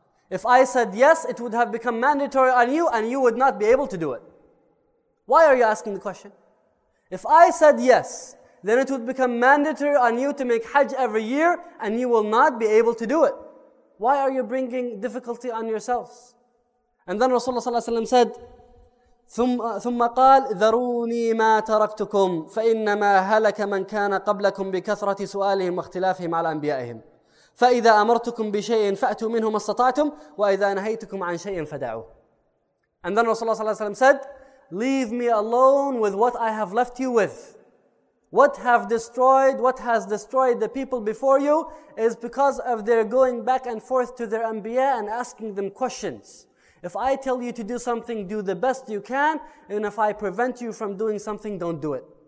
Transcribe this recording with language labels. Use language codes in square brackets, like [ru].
[en] If I said yes, it would have become mandatory on you and you would not be able to do it. Why are you asking the question? If I said yes, then it would become mandatory on you to make hajj every year and you will not be able to do it. Why are you bringing difficulty on yourselves? And then Rasulullah sallallahu alaihi wasallam said, [ar] ثم قال ذروني ما تركتكم فإنما هلك من كان قبلكم بكثرة سؤالهم واختلافهم على أنبيائهم. فإذا أمرتكم بشيء فأتوا منه ما استطعتم وإذا نهيتكم عن شيء فدعوه. [en] And then Rasulullah صلى الله عليه وسلم said, leave me alone with what I have left you with. What has destroyed the people before you is because of their going back and forth to their anbiya and asking them questions. If I tell you to do something, do the best you can, and if I prevent you from doing something, don't do it.